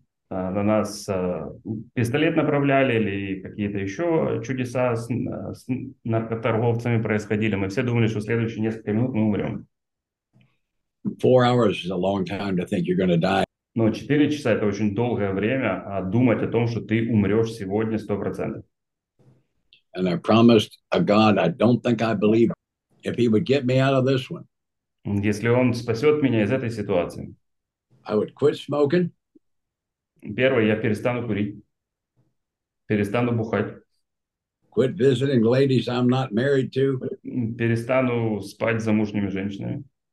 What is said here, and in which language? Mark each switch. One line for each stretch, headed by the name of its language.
Russian: на нас пистолет направляли или какие-то еще чудеса с наркоторговцами происходили. Мы все думали, что в следующие несколько минут мы умрем.
English: 4 hours is a long time to think you're going to die.
Russian: Но 4 часа — это очень долгое время думать о том, что ты умрешь сегодня 100%.
English: And I promised a God I don't think I believe if he would get me out of this one.
Russian: Если он спасет меня из этой ситуации.
English: I would quit smoking.
Russian: Первое, я перестану курить, перестану бухать.
English: Quit visiting ladies I'm not married to.
Russian: Перестану спать с замужними женщинами.